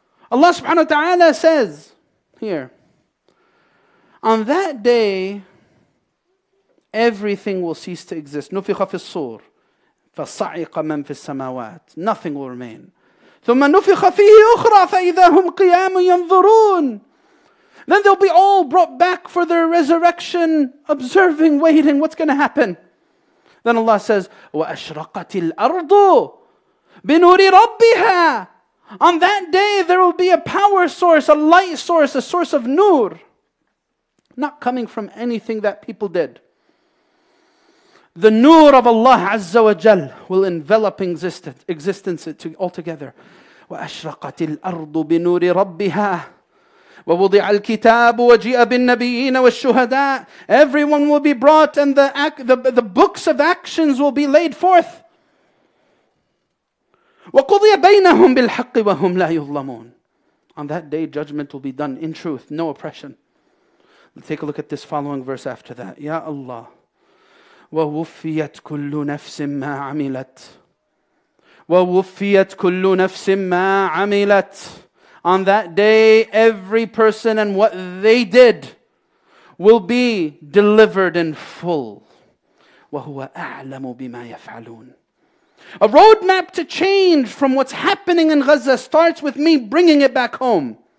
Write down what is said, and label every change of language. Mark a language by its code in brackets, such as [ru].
[en] Allah subhanahu wa ta'ala says here, on that day, everything will cease to exist. [ar] نُفِخَ فِي الصُّورِ فَصَعِقَ مَنْ فِي السَّمَاوَاتِ. [en] Nothing will remain. [ar] ثُمَّ نُفِخَ فِيهِ أُخْرَى فَإِذَا هُمْ قِيَامٌ يَنْظُرُونَ. [en] Then they'll be all brought back for their resurrection, observing, waiting, what's going to happen? Then Allah says, [ar] وَأَشْرَقَتِ الْأَرْضُ بِنُورِ رَبِّهَا. [en] On that day, there will be a power source, a light source, a source of nur, not coming from anything that people did. The nur of Allah Azza wa Jal will envelop existence altogether. [ar] وَأَشْرَقَتِ الْأَرْضُ بِنُورِ رَبِّهَا. ووضع الكتاب وجيء بالنبيين والشهداء. [en] Everyone will be brought and the books of actions will be laid forth. [ar] وقضي بينهم بالحق وهم لا يظلمون. [en] On that day judgment will be done in truth, no oppression. Let's take a look at this following verse after that. [ar] يا الله ووفيت كل نفس ما عملت ووفيت كل نفس ما عملت. [en] On that day, every person and what they did will be delivered in full. [ar] وَهُوَ أَعْلَمُ بِمَا يَفْعَلُونَ. [en] A roadmap to change from what's happening in Gaza starts with me bringing it back home.